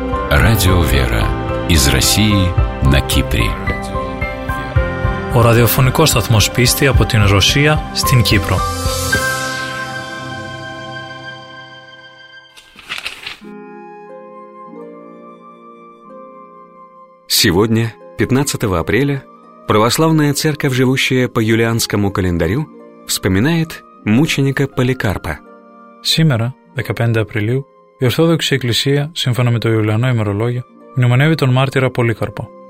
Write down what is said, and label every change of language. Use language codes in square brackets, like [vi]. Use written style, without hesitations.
[ru] Радио «Вера» из России на Кипре. [el] Ο ραδιοφωνικός σταθμός πίστη από την Ρωσία στην Κύπρο. [ru] Сегодня, 15 апреля, православная церковь, живущая по юлианскому календарю, вспоминает мученика Поликарпа. Сегодня, 15 апреля, [el] η Ορθόδοξη Εκκλησία, σύμφωνα με το Ιουλιανό ημερολόγιο, μνημονεύει τον μάρτυρα Πολύκαρπο.